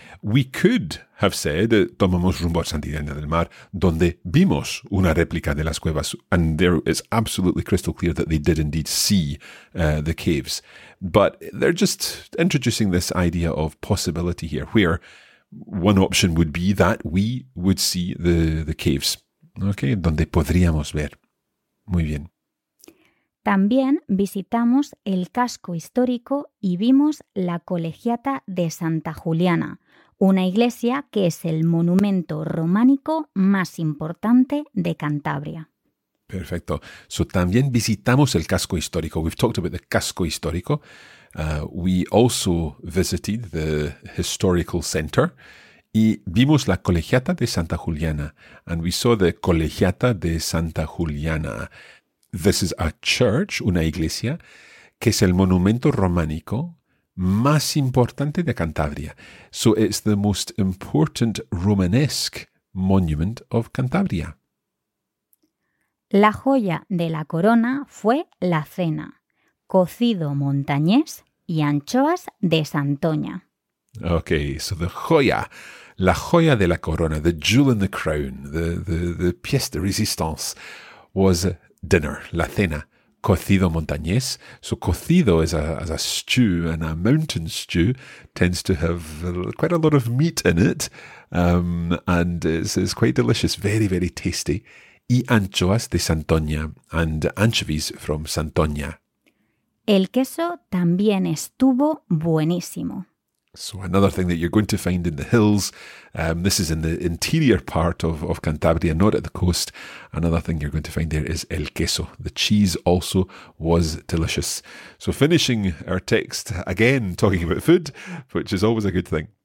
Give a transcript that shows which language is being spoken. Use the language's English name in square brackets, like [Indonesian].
[English] We could have said, [Spanish] tomamos rumbo a Santillana del Mar, donde vimos una réplica de las cuevas. [English] And there it's absolutely crystal clear that they did indeed see the caves. But they're just introducing this idea of possibility here, where one option would be that we would see the caves. [Spanish] Okay, donde podríamos ver. Muy bien. También visitamos el casco histórico y vimos la Colegiata de Santa Juliana, una iglesia que es el monumento románico más importante de Cantabria. Perfecto. So, también visitamos el casco histórico. [English] We've talked about the casco histórico. We also visited the historical center. [Spanish] Y vimos la Colegiata de Santa Juliana. [English] And we saw the Colegiata de Santa Juliana. This is a church, [Spanish] una iglesia, que es el monumento románico más importante de Cantabria. [English] So it's the most important Romanesque monument of Cantabria. [Spanish] La joya de la corona fue la cena, cocido montañés y anchoas de Santoña. [English] Okay, so the joya, [Spanish] la joya de la corona, [English] the jewel in the crown, the pièce de résistance, was dinner, [Spanish] la cena, [English] cocido montañés. So cocido is a stew, and a mountain stew tends to have quite a lot of meat in it, and it's quite delicious, very, very tasty. [Spanish] Y anchoas de Santoña, [English] and anchovies from Santoña. [Spanish] El queso también estuvo buenísimo. [English] So another thing that you're going to find in the hills, this is in the interior part of Cantabria, not at the coast. Another thing you're going to find there is el queso. The cheese also was delicious. So finishing our text again, talking about food, which is always a good thing.